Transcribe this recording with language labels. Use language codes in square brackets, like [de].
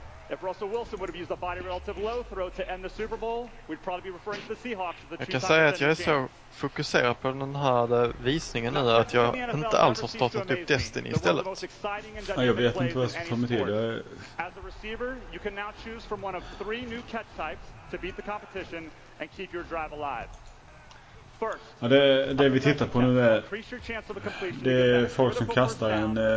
[en] If Russell Wilson would have used a body relative low throw to end the Super Bowl, we'd probably be referring to the Seahawks. [sv] Jag kan säga att jag är så fokuserad på den här visningen nu att jag inte alls har startat upp Destiny istället. Nej, jag vet inte vad jag ska ta mig till. [en] As a receiver, you can now choose from one of three new catch types to beat the competition and keep your drive alive. [sv] Ja, det vi tittar på nu är det är folk som kastar en